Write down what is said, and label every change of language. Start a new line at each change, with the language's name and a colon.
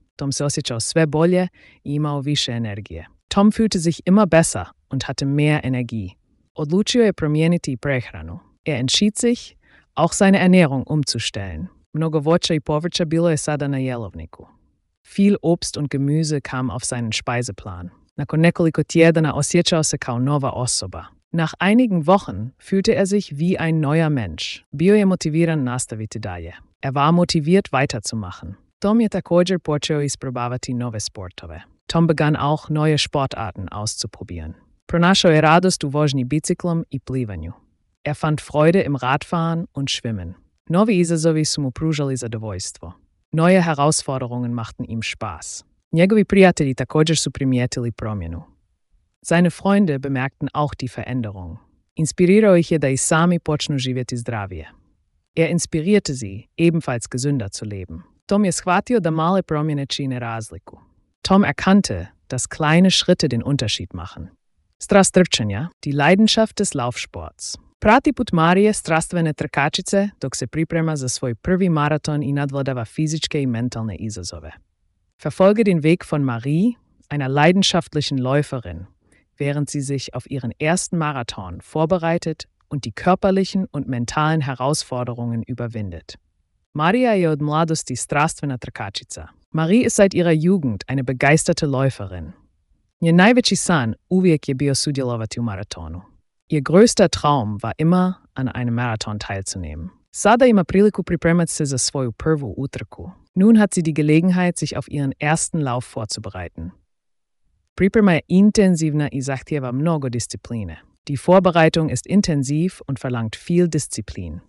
Croatian: Tom se osjećao sve bolje i imao više energije.
German: Tom fühlte sich immer besser und hatte mehr Energie.
Croatian: Odlučio je promijeniti prehranu.
German: Er entschied sich, auch seine Ernährung umzustellen.
Croatian: Mnogo voća i povrća bilo je sada na jelovniku.
German: Viel Obst und Gemüse kam auf seinen Speiseplan.
Croatian: Nakon nekoliko tjedana osjećao se kao nova osoba.
German: Nach einigen Wochen fühlte er sich wie ein neuer Mensch.
Croatian: Bio je motiviran nastaviti dalje.
German: Er war motiviert, weiterzumachen.
Croatian: Tom je također počeo isprobavati nove sportove.
German: Tom begann auch, neue Sportarten auszuprobieren.
Croatian: Pronašao je radost u vožnji biciklom i plivanju.
German: Er fand Freude im Radfahren und Schwimmen.
Croatian: Novi izazovi su mu pružali zadovoljstvo.
German: Neue Herausforderungen machten ihm Spaß.
Croatian: Njegovi prijatelji također su primijetili promjenu.
German: Seine Freunde bemerkten auch die Veränderung.
Croatian: Inspirirao ih je da i sami počnu živjeti zdravije.
German: Er inspirierte sie, ebenfalls gesünder zu leben.
Croatian: Tom je shvatio da male promjene čine razliku.
German: Tom erkannte, dass kleine Schritte den Unterschied machen.
Croatian: Strast trčanja,
German: die Leidenschaft des Laufsports.
Croatian: Prati put Marije strastvene trkačice dok se priprema za svoj prvi maraton i nadvladava fizičke i mentalne izazove.
German: Verfolge den Weg von Marie, einer leidenschaftlichen Läuferin, während sie sich auf ihren ersten Marathon vorbereitet und die körperlichen und mentalen Herausforderungen überwindet.
Croatian: Maria je od mladosti strastvena trkačica.
German: Marie ist seit ihrer Jugend eine begeisterte Läuferin.
Croatian: Njen najveći san uvijek je bio sudjelovati u maratonu.
German: Ihr größter Traum war immer, an einem Marathon teilzunehmen.
Croatian: Sada ima priliku pripremati se za svoju prvu utrku.
German: Nun hat sie die Gelegenheit, sich auf ihren ersten Lauf vorzubereiten.
Croatian: Priprema je intenzivna i zahtjeva mnogo discipline.
German: Die Vorbereitung ist intensiv und verlangt viel Disziplin.